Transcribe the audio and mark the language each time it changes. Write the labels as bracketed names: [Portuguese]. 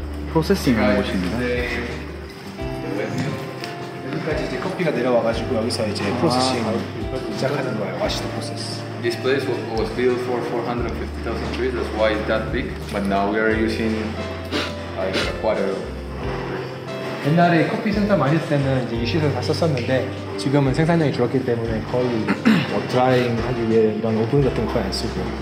[Korean] 프로세싱하는 곳입니다. 여기까지 이제 커피가 내려와가지고 여기서 이제 프로세싱을 시작하는 거예요. 와시드 프로세스. [English] This place was built for 450,000 trees. That's why it's that big. But now we are using like a quarter. [Korean] 옛날에 커피 생산 많이 했을 때는 이제 이 시설 다 썼었는데 지금은 생산량이 줄었기 때문에 거의 뭐 드라잉 하기 위해 이런 오븐 같은 거 거의 안 쓰고.